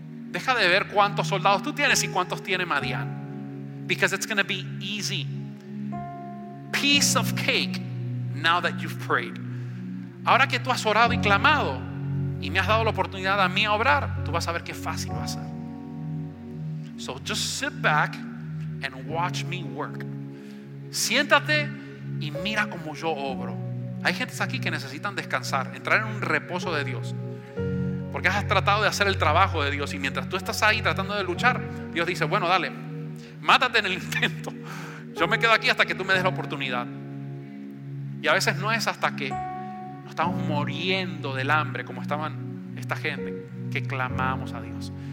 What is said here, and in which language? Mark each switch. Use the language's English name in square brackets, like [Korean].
[Spanish] Deja de ver cuántos soldados tú tienes y cuántos tiene Madian. [English] Because it's going to be easy. Piece of cake now that you've prayed. [Spanish] Ahora que tú has orado y clamado y me has dado la oportunidad a mí a obrar, tú vas a ver qué fácil va a ser. [English] So just sit back and watch me work. [Spanish] Siéntate y mira cómo yo obro. Hay gente aquí que necesitan descansar, entrar en un reposo de Dios. Porque has tratado de hacer el trabajo de Dios y mientras tú estás ahí tratando de luchar, Dios dice, bueno, dale, mátate en el intento. Yo me quedo aquí hasta que tú me des la oportunidad. Y a veces no es hasta que nos estamos muriendo del hambre como estaban esta gente que clamamos a Dios.